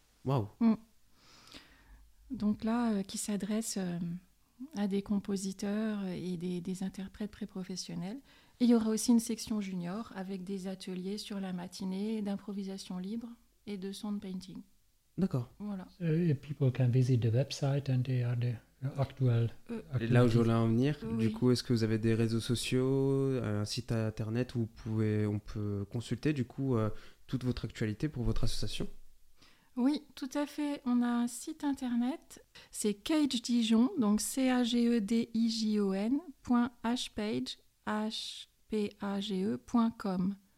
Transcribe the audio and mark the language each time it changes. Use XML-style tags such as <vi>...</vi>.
<fr>Waouh. Mmh. Donc là, qui s'adresse à des compositeurs et des interprètes pré-professionnels. Et il y aura aussi une section junior avec des ateliers sur la matinée d'improvisation libre et de sound painting. D'accord. Voilà.</fr> <en>So people can visit the website and they are there.</en> <fr>Actuel. Là où je voulais en venir, du coup, est-ce que vous avez des réseaux sociaux, un site internet où on peut consulter du coup toute votre actualité pour votre association? Oui, tout à fait. On a un site internet, c'est Cage Dijon, donc cagedijon.hpage.com.</fr>